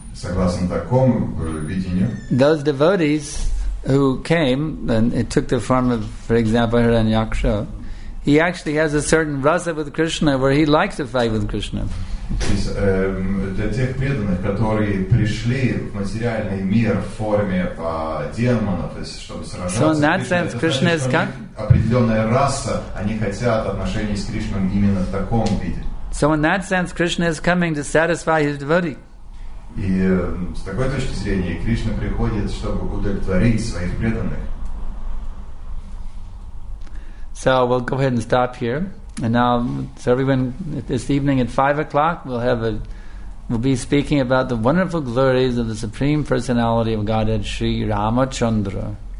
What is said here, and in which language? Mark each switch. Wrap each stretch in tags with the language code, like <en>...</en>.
<ru>согласно такому видению,</ru> <en>those devotees who came and it took the form of, for example, Hiranyaksha, he actually has a certain rasa with Krishna where he likes to fight with Krishna.</en> <ru>Для тех преданных, которые пришли в материальный мир в форме демонов, чтобы сражаться.</ru> <en>So in that sense, Krishna is coming.</en> <ru>Определенная раса, они хотят отношений с Кришной именно в таком виде.</ru> <en>So in that sense, Krishna is coming to satisfy his devotee.</en> <ru>И с такой точки зрения, Кришна приходит, чтобы удовлетворить своих преданных.</ru> <en>So we'll go ahead and stop here. And now, so everyone, this evening at 5:00, we'll be speaking about the wonderful glories of the Supreme Personality of Godhead, Sri Ramachandra.</en>